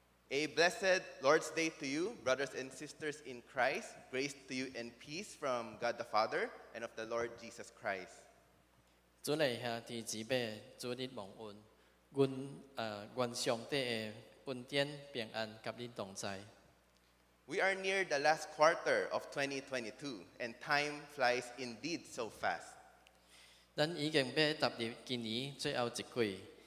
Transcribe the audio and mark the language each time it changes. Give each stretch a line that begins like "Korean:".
English: A blessed Lord's Day to you, brothers and sisters in Christ. Grace to you and peace from God the Father and of the Lord Jesus Christ.
Min Nan Chinese: 主内兄弟姊妹，主日蒙恩，愿上帝的恩典平安甲你同在。
English: We are near the last quarter of 2022, and time flies indeed so fast.
Min Nan Chinese: 咱已经要踏入今年最后一季。